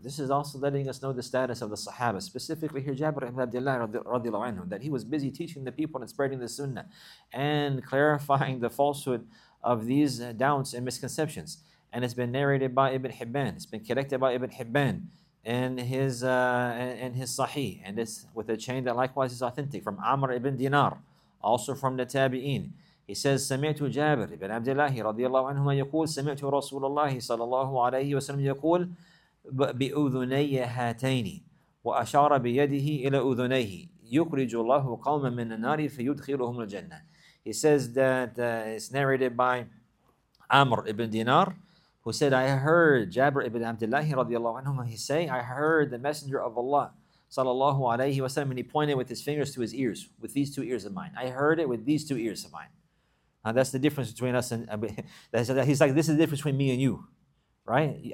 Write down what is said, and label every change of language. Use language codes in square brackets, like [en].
[en] This is also letting us know the status of the Sahaba, specifically here Jabir ibn Abdullah radiallahu anhu, that he was busy teaching the people and spreading the sunnah and clarifying the falsehood of these doubts and misconceptions. And it's been narrated by Ibn Hibban, it's been collected by Ibn Hibban in his Sahih, and it's with a chain that likewise is authentic from Amr ibn Dinar, also from the Tabi'een. He says, [ar] سمعت جابر بن عبد الله رضي الله عنهما يقول سمعت رسول الله صلى الله عليه وسلم يقول بأذني هاتين وأشار بيده إلى أذنيه يخرج الله قوما من النار فيدخلهم الجنة. [en] He says that it's narrated by Amr ibn Dinar, who said, I heard Jabir ibn عبد الله رضي الله عنهما, he say, I heard the messenger of Allah sallallahu alayhi wa sallam, and he pointed with his fingers to his ears, with these two ears of mine. I heard it with these two ears of mine. Now that's the difference between us and he's like, this is the difference between me and you, right?